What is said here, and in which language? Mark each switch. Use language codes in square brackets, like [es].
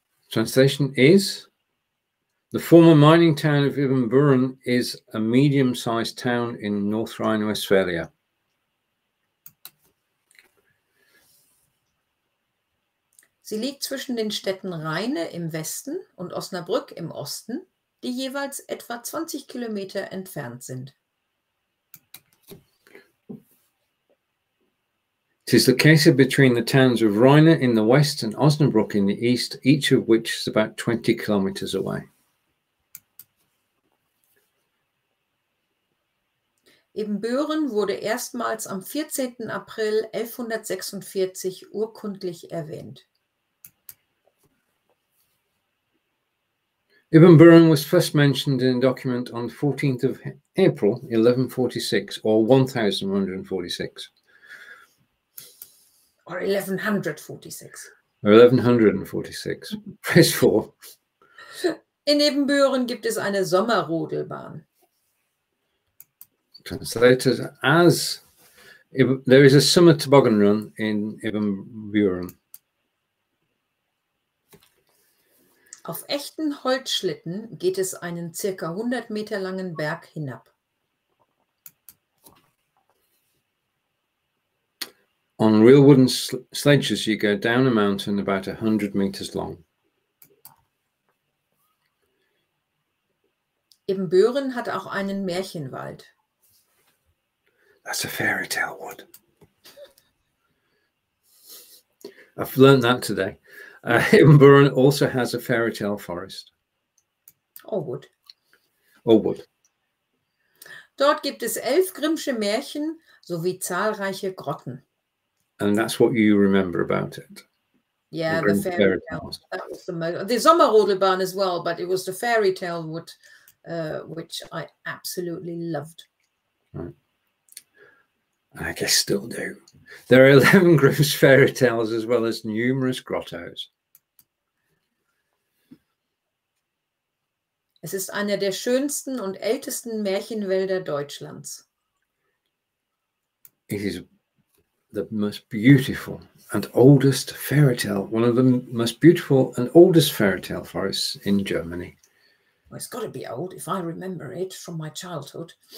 [en] Translation is: The former mining town of Ibbenbüren is a medium-sized town in North Rhine-Westphalia. [de] Sie liegt zwischen den Städten Rheine im Westen und Osnabrück im Osten, die jeweils etwa 20 Kilometer entfernt sind. [en] It is located between the towns of Rheine in the west and Osnabrück in the east, each of which is about 20 kilometers away. [de] Ibbenbüren wurde erstmals am 14. April 1146 urkundlich erwähnt. [en] Ibbenbüren was first mentioned in a document on 14th of April 1146 or 1146. Or 1146. Or 1146. Press 4. [de] In Ibbenbüren gibt es eine Sommerrodelbahn. [en] Translated as, there is a summer toboggan run in Ibbenbüren. [de] Auf echten Holzschlitten geht es einen circa 100 Meter langen Berg hinab. [en] On real wooden sledges you go down a mountain about 100 meters long. [de] Ibbenbüren hat auch einen Märchenwald. [en] That's a fairy tale wood. I've learned that today. Ibbenbüren also has a fairy tale forest. Or wood. Or wood. [de] Dort gibt es 11 Grimmsche Märchen sowie zahlreiche Grotten. [en] And that's what you remember about it. Yeah, the fairy tale. The Sommerrodelbahn as well, but it was the fairy tale wood, which I absolutely loved. Right. I guess still do. There are 11 Grimm's fairy tales as well as numerous grottos. [de] Es ist einer der schönsten und ältesten Märchenwälder Deutschlands. [en] It is the most beautiful and oldest fairy tale, one of the most beautiful and oldest fairy tale forests in Germany. Well, it's got to be old if I remember it from my childhood.